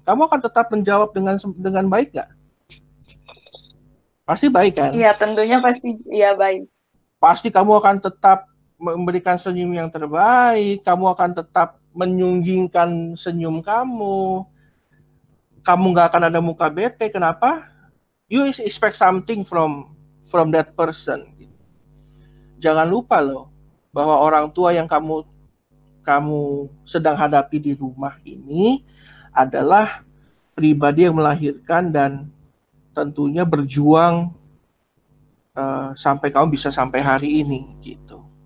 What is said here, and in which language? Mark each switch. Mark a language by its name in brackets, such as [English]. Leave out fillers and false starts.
[Indonesian] Kamu akan tetap menjawab dengan baik gak? Pasti baik kan? Iya, tentunya pasti ya baik. Pasti kamu akan tetap memberikan senyum yang terbaik. Kamu akan tetap menyunggingkan senyum kamu. Kamu gak akan ada muka bete. Kenapa? [English] You expect something from that person. [Indonesian] Jangan lupa loh bahwa orang tua yang kamu sedang hadapi di rumah ini adalah pribadi yang melahirkan dan tentunya berjuang sampai kamu bisa sampai hari ini gitu.